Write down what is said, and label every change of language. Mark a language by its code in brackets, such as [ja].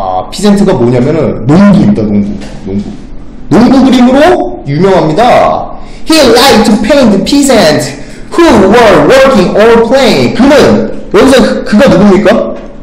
[ko] 피센트가 뭐냐면은 농부입니다. 농부. 농부 그림으로 유명합니다. [en] He liked to paint peasants who were working or playing. [ko] 그는 여기서 그가 누굽니까?